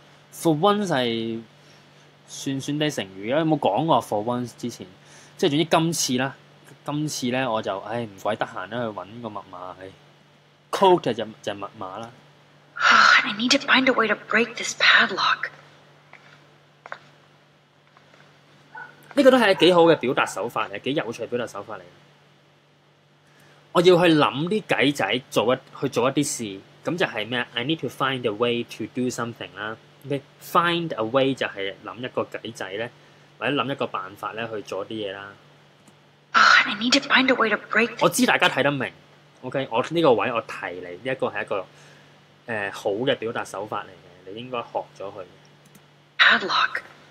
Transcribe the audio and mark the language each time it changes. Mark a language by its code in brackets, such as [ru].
[yue] For once 係算算啲成語啊，有冇講過 for once 之前？即係總之今次啦，今次咧我就唉唔鬼得閒啦，去揾個密碼。 Code 就係密碼啦。 [en] I need to find a way to break this padlock. [yue] 呢個都係幾好嘅表達手法嚟，幾有趣嘅表達手法嚟。我要去諗啲計仔，去做一啲事。咁就係咩 ？ [en] I need to find a way to do something [yue] 啦。OK，find a way 就係諗一個計仔咧，或者諗一個辦法去做一啲嘢啦。 [en] Oh, and I need to find a way to break. [yue] 我知大家睇得明 ，OK， 我呢個位我提你，呢一個係一個好嘅表達手法嚟嘅，你應該學咗佢。 [en] Padlock。